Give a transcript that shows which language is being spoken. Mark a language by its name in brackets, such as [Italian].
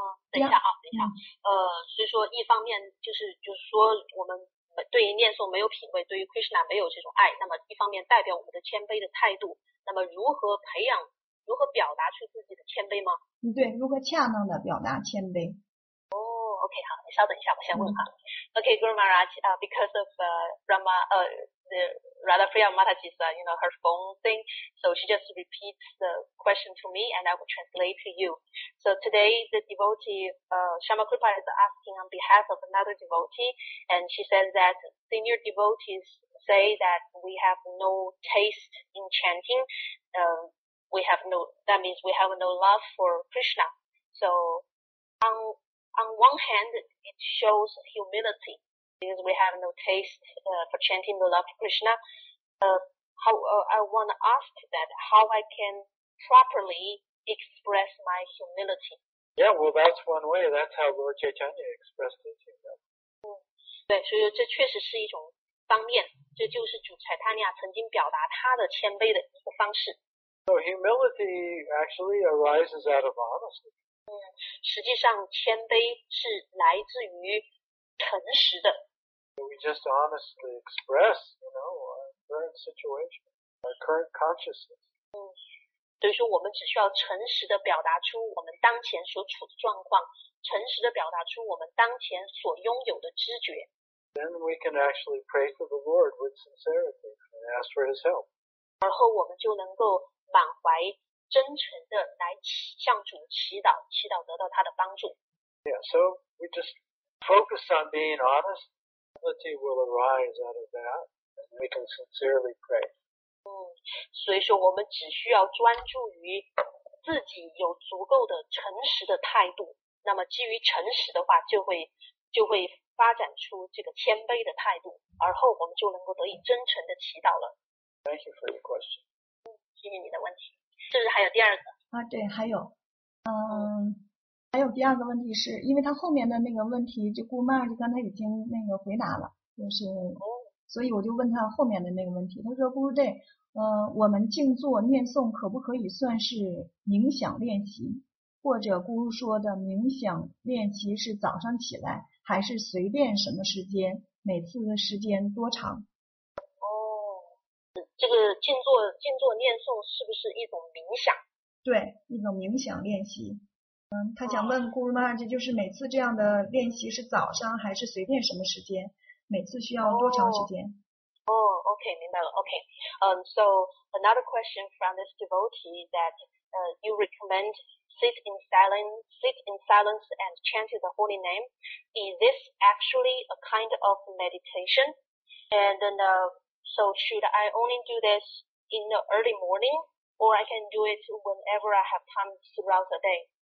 [Chinese] 等一下，所以说一方面就是说我们对于念诵没有品味，对于 Krishna 没有这种爱，那么一方面代表我们的谦卑的态度，那么如何培养，如何表达出自己的谦卑吗？对，如何恰当的表达谦卑。 OK, 好，你稍等一下，我先问哈。 [English] OK, Guru Maharaj, because of Rama, Radha Priya Mataji's, you know, her phone thing, so she just repeats the question to me and I will translate to you. So today the devotee, Shama Kripa is asking on behalf of another devotee, and she said that senior devotees say that we have no taste in chanting, that means we have no love for Krishna. So, On one hand, it shows humility because we have no taste for chanting the love of Krishna. I want to ask that how I can properly express my humility. Yeah, well, that's one way. That's how Lord Chaitanya expressed it. [Chinese] 对，所以这确实是一种方面，这就是主柴塔尼亚曾经表达他的谦卑的一个方式。 [English] So humility actually arises out of honesty. [Chinese] 实际上谦卑是来自于诚实的。 [English] We just honestly express, you know, our current situation, our current consciousness. [Chinese] 所以说我们只需要诚实的表达出我们当前所处的状况，诚实的表达出我们当前所拥有的知觉。 [English] Then we can actually pray to the Lord with sincerity and ask for his help. [Chinese] 然后我们就能够满怀真诚的来向主祈祷，祈祷得到他的帮助。 [English] Yeah, so we just focus on being honest. Humility will arise out of that, and we can sincerely pray. [Chinese] 所以说我们只需要专注于自己有足够的诚实的态度，那么基于诚实的话，就会发展出这个谦卑的态度，而后我们就能够得以真诚的祈祷了。 [English] Thank you for your question。 [Chinese] 谢谢你的问题。是不是还有第二个？啊，对，还有，还有第二个问题是，因为他后面的那个问题，就顾曼儿就刚才已经那个回答了，就是。所以我就问他后面的那个问题，他说不是这，我们静坐念诵可不可以算是冥想练习，或者姑姑说的冥想练习是早上起来还是随便什么时间，每次的时间多长？哦，这个静坐念诵是不是一种冥想？对，一种冥想练习。他想问姑姑妈，这就是每次这样的练习是早上还是随便什么时间，每次需要多长时间？ [English] OK, [Chinese] 明白了。 [English] OK, so another question from this devotee that you recommend sit in silence and chant the holy name. Is this actually a kind of meditation? And then, so should I only do this in the early morning, or I can do it whenever I have time throughout the day?